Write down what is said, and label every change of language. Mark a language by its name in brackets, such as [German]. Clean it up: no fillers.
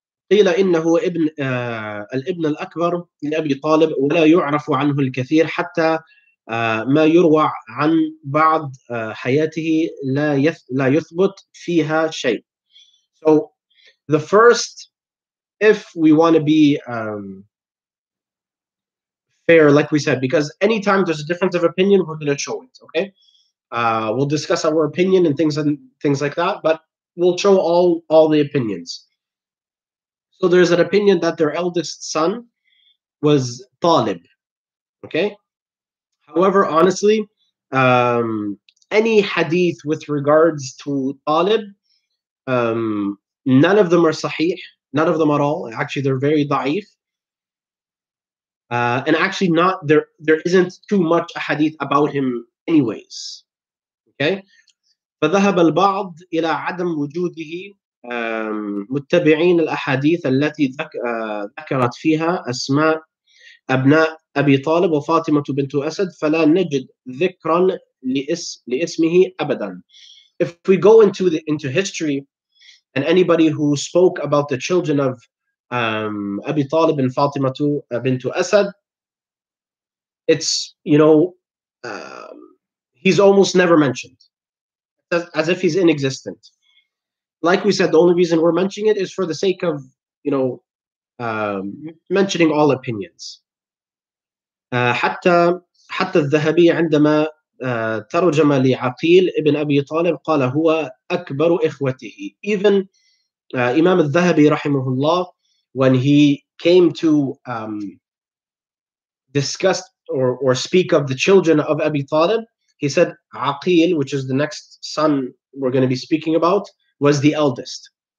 [Arabic] قيل إنه ابن الابن الأكبر من أبي طالب ولا يعرف عنه الكثير حتى ما يروى عن بعض حياته لا يثبت فيها شيء. So [English] The first, if we want to be fair, like we said, because anytime there's a difference of opinion, we're going to show it, okay? We'll discuss our opinion and things like that, but we'll show all the opinions. So there's an opinion that their eldest son was Talib, okay? However, honestly, any hadith with regards to Talib, none of them are sahih, none of them at all. Actually, they're very da'if. And actually not, there isn't too much a hadith about him anyways. Okay? [Arabic] فَذَهَبَ الْبَعْضُ إِلَىٰ عَدَمْ وُجُودِهِ مُتَّبِعِينَ الْأَحَادِيثَ الَّتِي ذَكَرَتْ فِيهَا أَسْمَاءَ أبناء أبي طالب وفاطمة بنت أسد فلا نجد ذكرا لإسمه أبدا. [English] If we go into history, and anybody who spoke about the children of Abi Talib and Fatima bint Asad, it's, you know, he's almost never mentioned, as if he's inexistent. Like we said, the only reason we're mentioning it is for the sake of, you know, mentioning all opinions. [Arabic] حتى الذهبي عندما ترجم لعقيل ابن أبي طالب قال هو أكبر إخوته. [English] Even Imam al-Dhahabi [Arabic] رحمه الله, [English] when he came to discuss or speak of the children of Abi Talib, he said عقيل, which is the next son we're going to be speaking about, was the eldest.